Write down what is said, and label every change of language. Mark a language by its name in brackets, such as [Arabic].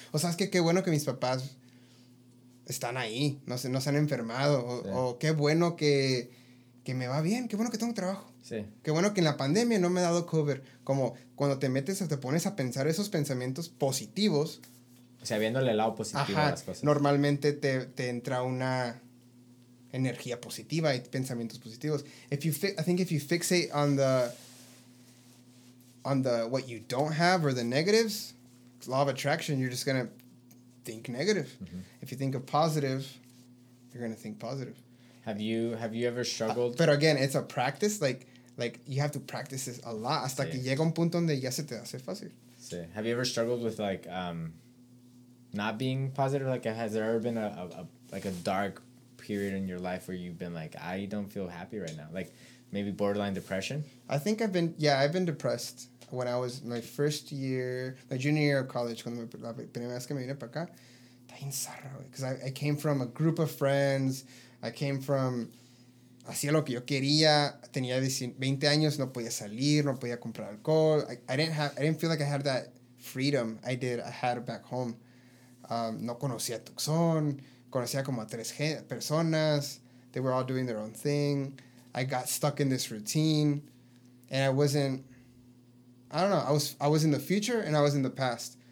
[Spanish] O sabes que qué bueno que mis papás están ahí, no se han enfermado, o qué bueno que me va bien, qué bueno que tengo trabajo. Sí. Qué bueno que en la pandemia no me he dado cover. Como cuando te metes o te pones a pensar esos pensamientos positivos. O sea, viéndole el lado positivo a las cosas. Normalmente te entra una energía positiva y pensamientos positivos. [English] I think if you fixate on the what you don't have or the negatives, law of attraction, you're just gonna think negative. Mm-hmm. If you think of positive, you're gonna think positive. Have you ever struggled? But again, it's a practice. Like you have to practice this a lot. [Spanish] Hasta que llega un punto donde ya se te hace fácil. Sí. [English] Have you ever struggled with like not being positive? Like, has there ever been a dark period in your life where you've been like, I don't feel happy right now? Like, maybe borderline depression. I think I've been depressed when I was my first year, my junior year of college. [Spanish] Cuando la primera vez que me vine para acá, está bien zarra, güey. [English] Because I came from a group of friends. I came from, [Spanish] hacía lo que yo quería, tenía 20 años, no podía salir, no podía comprar alcohol. [English] I didn't feel like I had that freedom I had back home. [Spanish] No conocía a Tucson, conocía como a tres personas, [English] they were all doing their own thing. I got stuck in this routine, and I was in the future, and I was in the past.